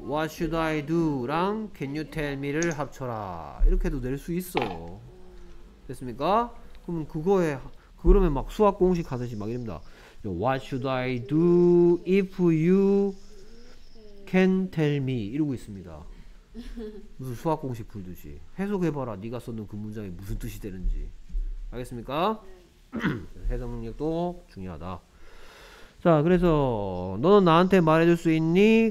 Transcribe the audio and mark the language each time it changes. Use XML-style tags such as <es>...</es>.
<en>What should I do?랑 Can you tell me?를</en> <ko>합쳐라. 이렇게도 낼 수 있어. 됐습니까? 그러면 그거에, 그러면 막 수학 공식 하듯이 막 이릅니다.</ko> <en>What should I do if you can tell me?</en> <ko>이러고 있습니다. 무슨 수학 공식 풀듯이. 해석해봐라. 네가 썼는 그 문장이 무슨 뜻이 되는지. 알겠습니까? 해석 능력도 중요하다. 자, 그래서 너는 나한테 말해줄 수 있니?</ko>